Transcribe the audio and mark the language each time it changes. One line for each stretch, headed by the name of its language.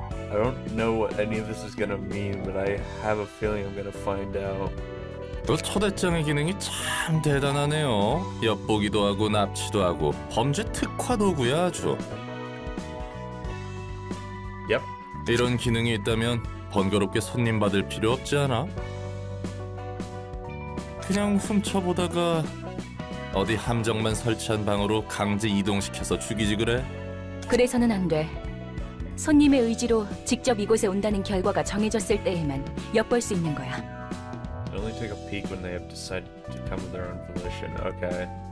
English: I don't know what any of this is gonna mean, but I have a feeling I'm gonna find out.
Korean: 그 초대장의 기능이 참 대단하네요. 엿보기도 하고 납치도 하고 범죄 특화 도구야 아주.
English: Yep.
Korean: 이런 기능이 있다면 번거롭게 손님 받을 필요 없지 않아? 그냥 훔쳐보다가 어디 함정만 설치한 방으로 강제 이동시켜서 죽이지 그래? 그래서는 안 돼. 손님의 의지로 직접 이곳에 온다는 결과가 정해졌을 때에만 엿볼 수 있는 거야.
English: Only take a peek when they have decided to come of their own volition. Okay.